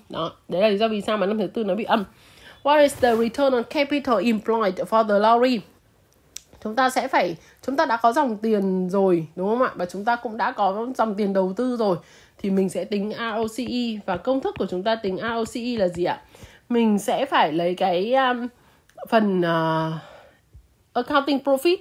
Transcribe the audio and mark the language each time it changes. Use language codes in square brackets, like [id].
[vi] Đó, đấy là lý do vì sao mà năm thứ 4 nó bị âm. [en] What is the return on capital employed for the lorry? [vi] Chúng ta đã có dòng tiền rồi, đúng không ạ? Và chúng ta cũng đã có dòng tiền đầu tư rồi. Thì mình sẽ tính ROCE. Và công thức của chúng ta tính ROCE là gì ạ? Mình sẽ phải lấy cái phần accounting profit.